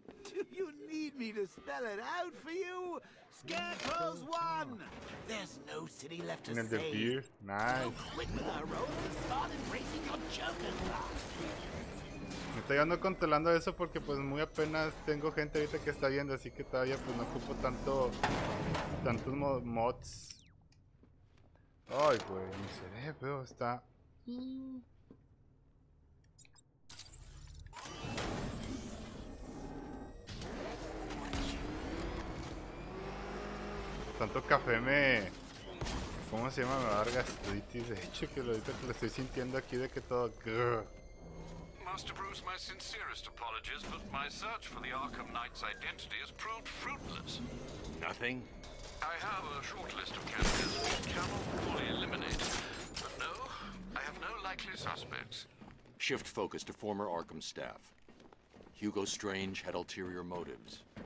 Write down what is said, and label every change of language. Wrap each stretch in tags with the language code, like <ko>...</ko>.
<en>Do you need me to spell it out for you? Scarecrow's won. There's no city left to save. Beer. Nice. So quit with our role and start embracing your Joker class.</en> <es>Me estoy ando controlando eso porque pues muy apenas tengo gente ahorita que está viendo, así que todavía pues no ocupo tantos mods. Ay, güey, mi cerebro está... tanto café me... ¿Cómo se llama? Me va a dar gastritis. De hecho, que lo estoy sintiendo aquí de que todo...</es> <en>Master Bruce, my sincerest apologies, but my search for the Arkham Knight's identity has proved fruitless. Nothing? I have a short list of candidates which cannot fully eliminate, but no, I have no likely suspects. Shift focus to former Arkham staff. Hugo Strange had ulterior motives.</en>